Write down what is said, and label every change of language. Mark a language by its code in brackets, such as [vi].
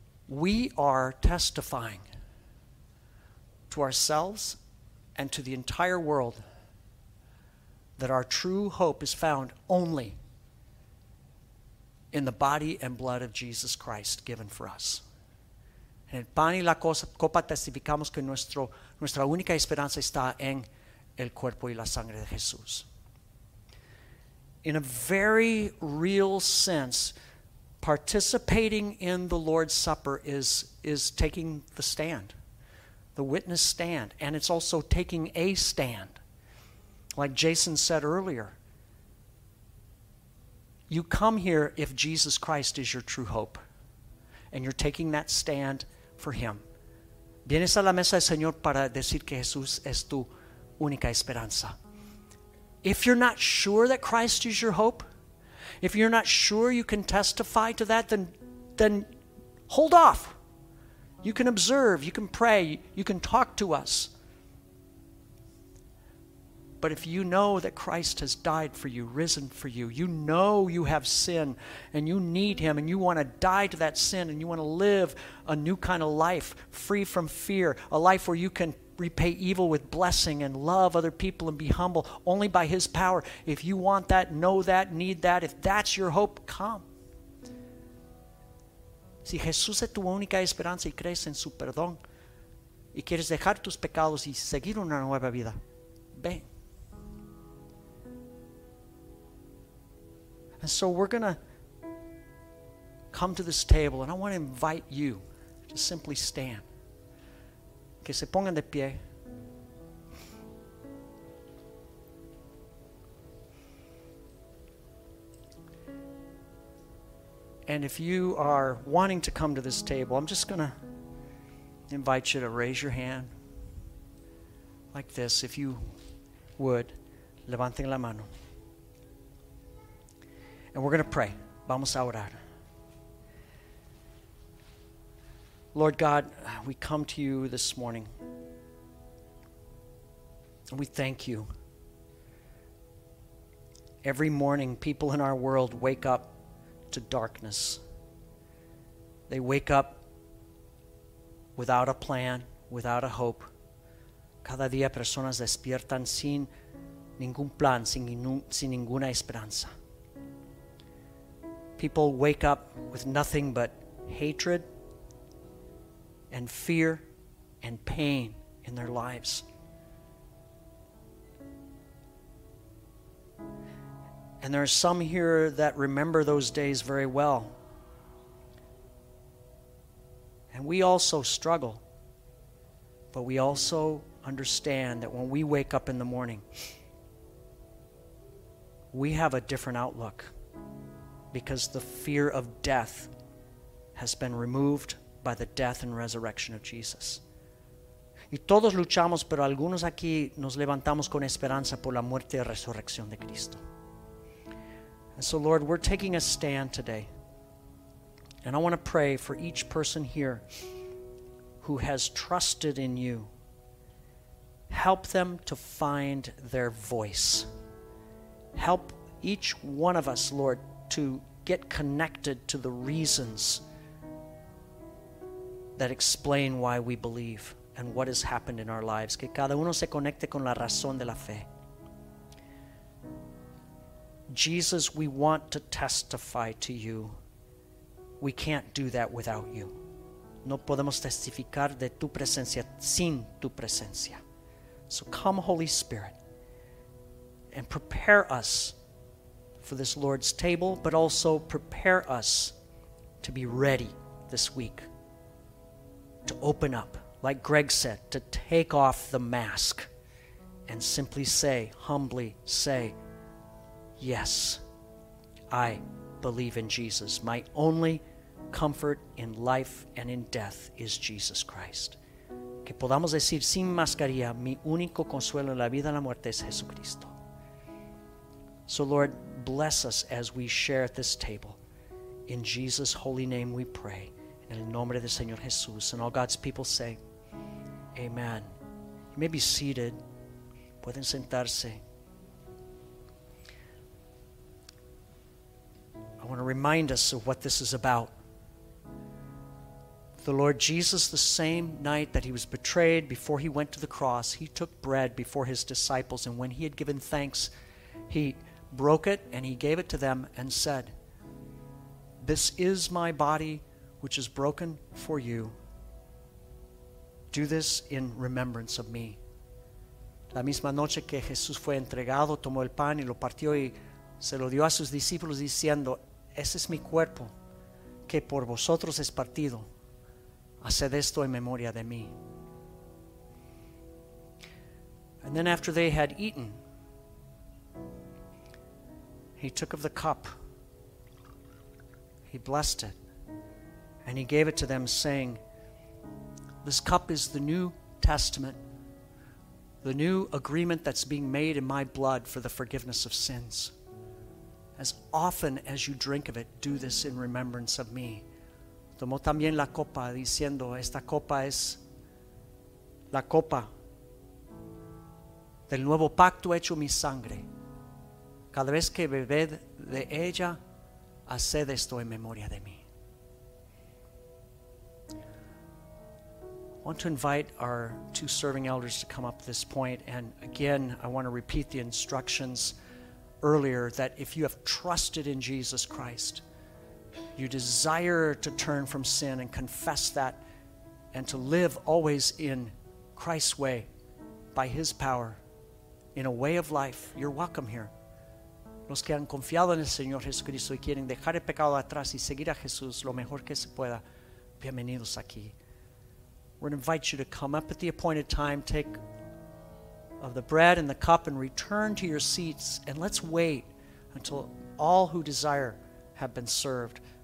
[en] We are testifying to ourselves and to the entire world that our true hope is found only in the body and blood of Jesus Christ given for us. [es] En el pan y la copa testificamos que nuestra única esperanza está en el cuerpo y la sangre de Jesús. [en] In a very real sense, participating in the Lord's Supper is taking the stand, the witness stand, and it's also taking a stand. Like Jason said earlier, you come here if Jesus Christ is your true hope, and you're taking that stand for him. [es] Vienes a la mesa del Señor para decir que Jesús es tu única esperanza. [en] If you're not sure that Christ is your hope, if you're not sure you can testify to that, then hold off. You can observe, you can pray, you can talk to us. But if you know that Christ has died for you, risen for you, you know you have sin and you need him and you want to die to that sin and you want to live a new kind of life, free from fear, a life where you can repay evil with blessing and love other people and be humble only by his power. If you want that, know that, need that, if that's your hope, come. [es] Si Jesús es tu única esperanza y crees en su perdón y quieres dejar tus pecados y seguir una nueva vida, ven. [en] And so we're going to come to this table, and I want to invite you to simply stand. [es] Que se pongan de pie. [en] And if you are wanting to come to this table, I'm just going to invite you to raise your hand like this, if you would. [es] Levanten la mano. [en] And we're going to pray. [es] Vamos a orar. [en] Lord God, we come to you this morning. And we thank you. Every morning, people in our world wake up to darkness. They wake up without a plan, without a hope. [es] Cada día personas despiertan sin ningún plan, sin ninguna esperanza. [en] People wake up with nothing but hatred and fear and pain in their lives. And there are some here that remember those days very well. And we also struggle, but we also understand that when we wake up in the morning, we have a different outlook. Because the fear of death has been removed by the death and resurrection of Jesus. [es] Y todos luchamos, pero algunos aquí nos levantamos con esperanza por la muerte y resurrección de Cristo. [en] And so, Lord, we're taking a stand today. And I want to pray for each person here who has trusted in you. Help them to find their voice. Help each one of us, Lord, to get connected to the reasons that explain why we believe and what has happened in our lives. [es] Que cada uno se conecte con la razón de la fe. [en] Jesus, we want to testify to you. We can't do that without you. [es] No podemos testificar de tu presencia sin tu presencia. [en] So come, Holy Spirit, and prepare us for this Lord's table, but also prepare us to be ready this week to open up, like Greg said, to take off the mask and simply say, humbly say, yes, I believe in Jesus. My only comfort in life and in death is Jesus Christ. [es] Que podamos decir sin mascarilla, mi único consuelo en la vida y la muerte es Jesucristo. [en] So Lord, bless us as we share at this table. In Jesus' holy name we pray. [es] En el nombre del Señor Jesús. [en] And all God's people say, amen. You may be seated. [es] Pueden sentarse. [en] I want to remind us of what this is about. the Lord Jesus, the same night that he was betrayed, before he went to the cross, he took bread before his disciples, and when he had given thanks, he broke it and he gave it to them and said, "This is my body, which is broken for you. Do this in remembrance of me." [es] La misma noche que Jesús fue entregado, tomó el pan y lo partió y se lo dio a sus discípulos diciendo, "Ese es mi cuerpo, que por vosotros es partido. Haced esto en memoria de mí." [en] And then after they had eaten, he took of the cup, he blessed it, and he gave it to them saying, "This cup is the new testament, the new agreement that's being made in my blood for the forgiveness of sins. As often as you drink of it, do this in remembrance of me." [es] Tomó también la copa diciendo, "Esta copa es la copa del nuevo pacto hecho mi sangre. Cada vez que bebed de ella, haced esto en memoria de mí." [en] I want to invite our two serving elders to come up at this point. And again, I want to repeat the instructions earlier that if you have trusted in Jesus Christ, you desire to turn from sin and confess that and to live always in Christ's way, by his power, in a way of life, you're welcome here. [es] Los que han confiado en el Señor Jesucristo y quieren dejar el pecado atrás y seguir a Jesús lo mejor que se pueda, bienvenidos aquí. [en] We're going to invite you to come up at the appointed time, take of the bread and the cup and return to your seats, and let's wait until all who desire have been served.